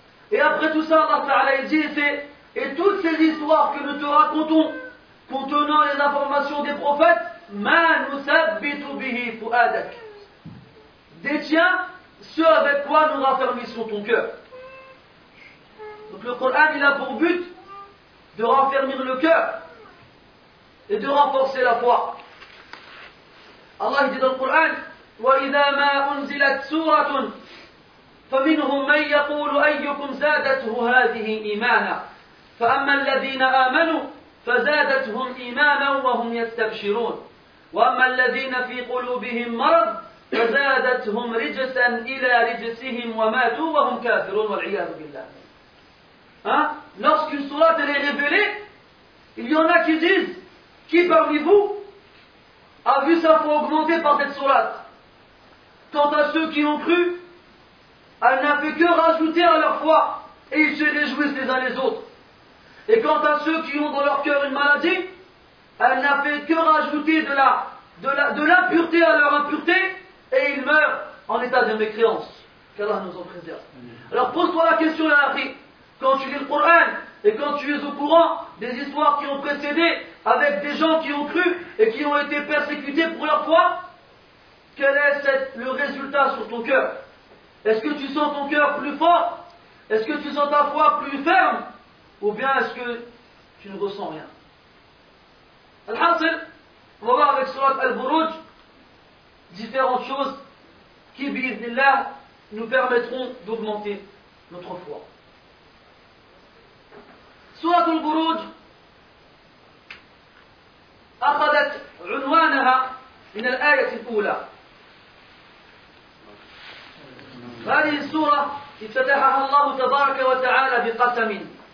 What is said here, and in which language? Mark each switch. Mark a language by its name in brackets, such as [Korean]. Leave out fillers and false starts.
[French] Et après tout ça, Allah Ta'ala dit et toutes ces histoires que nous te racontons contenant les informations des prophètes, [Arabic] ma nusabbitu bihi fu'adak, [French] détient ce avec quoi nous raffermissons ton cœur. Donc le Coran, il a pour but de raffermir le cœur et de renforcer la foi. Allah dit dans le Coran, [Arabic] وَإِذَا مَا أُنْزِلَتْ سُورَةٌ فَمِنْهُمْ مَنْ يَقُولُ أَيُّكُمْ زَادَتْهُ هَذِهِ إِيمَانًا فَأَمَّا الَّذِينَ آمَنُوا فَزَادَتْهُمْ إِيمَانًا وَهُمْ يَسْتَبْشِرُونَ وَأَمَّا الَّذِينَ فِي قُلُوبِهِمْ مَرَضٌ فَزَادَتْهُمْ رِجْسًا إِلَى رِجْسِهِمْ وَمَاتُوا وَهُمْ كَافِرُونَ وَالْعِيَاذُ بِاللَّهِ. [French] Lorsqu'une sourate est révélée, il y en a qui disent, qui parmi vous a vu sa foi augmenter par cette sourate? Quant à ceux qui ont cru, elle n'a fait que rajouter à leur foi et ils se réjouissent les uns les autres. Et quant à ceux qui ont dans leur cœur une maladie, elle n'a fait que rajouter de l'impureté à leur impureté et ils meurent en état de mécréance. Qu'Allah nous en préserve. Alors pose-toi la question, la Harry. Quand tu lis le Coran et quand tu es au courant des histoires qui ont précédé avec des gens qui ont cru et qui ont été persécutés pour leur foi, quel est le résultat sur ton cœur? Est-ce que tu sens ton cœur plus fort? Est-ce que tu sens ta foi plus ferme? Ou bien est-ce que tu ne ressens rien? Al-Hasil, on va voir avec Surat Al-Buruj différentes choses qui, bi'idhnillah, nous permettront d'augmenter notre foi. [Arabic] سورة البروج أخذت عنوانها من الآية الأولى. هذه السورة افتتحها الله تبارك وتعالى بقسم.